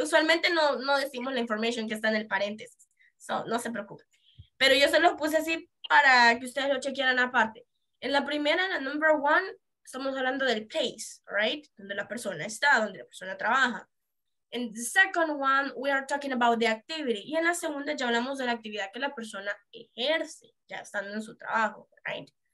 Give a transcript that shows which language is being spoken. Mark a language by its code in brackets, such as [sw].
[es] Usualmente no decimos la información que está en el paréntesis. So, no se preocupe. Pero yo se los puse así para que ustedes lo chequearan aparte. En la primera, la number one, estamos hablando del place, right? Donde la persona está, donde la persona trabaja. [en] In the second one, we are talking about the activity. [es] Y en la segunda ya hablamos de la actividad que la persona ejerce, ya estando en su trabajo, right?